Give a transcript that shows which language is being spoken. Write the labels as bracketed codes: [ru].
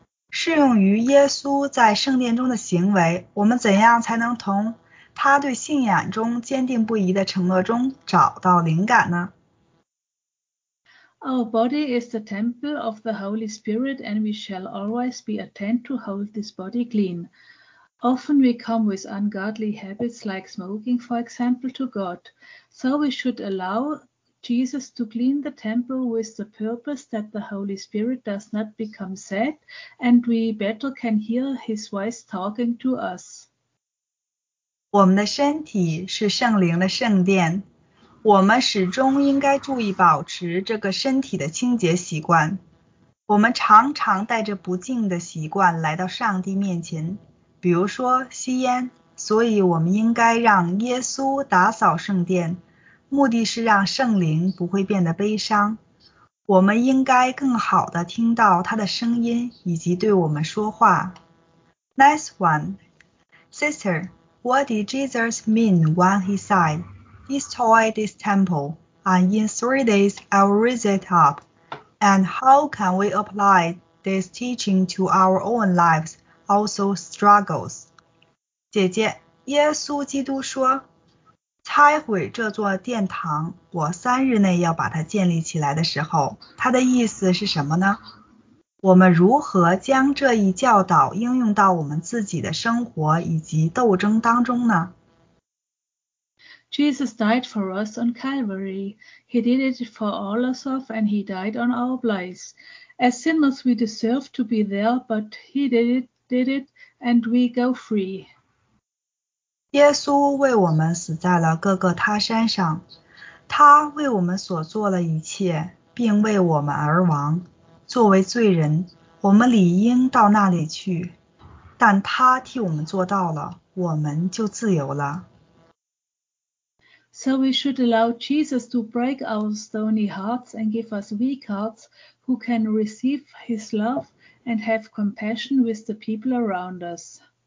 [zh] 适用于耶稣在圣殿中的行为，我们怎样才能同他对信仰中坚定不移的承诺中找到灵感呢？ [en] Our body is the temple of the Holy Spirit, and we shall always be attentive to hold this body clean. Often we come with ungodly habits like smoking, for example, to God. So we should allow Jesus to clean the temple with the purpose that the Holy Spirit does not become sad, and we better can hear his voice talking to us. [zh] 我们的身体是圣灵的圣殿，我们始终应该注意保持这个身体的清洁习惯。我们常常带着不敬的习惯来到上帝面前，比如说吸烟，所以我们应该让耶稣打扫圣殿，目的是让圣灵不会变得悲伤。我们应该更好地听到他的声音以及对我们说话。 [en] Next one, Sister,What did Jesus mean when he said, Destroy this temple, and in 3 days I will raise it up? And how can we apply this teaching to our own lives, also struggles? [zh] 姐姐，耶稣基督说，拆毁这座殿堂，我三日内要把它建立起来的时候，它的意思是什么呢？我们如何将这一教导应用到我们自己的生活以及斗争当中呢？ [en] Jesus died for us on Calvary. He did it for all of us and he died on our place. As sinners, we deserve to be there, but he did it, and we go free. [zh] 耶稣为我们死在了各个他山上，他为我们所做的一切，并为我们而亡。作为罪人，我们理应到那里去，但他替我们做到了，我们就自由了。 [en] So we should allow Jesus to break our stony hearts and give us weak hearts who can receive his love and have compassion with the people around us.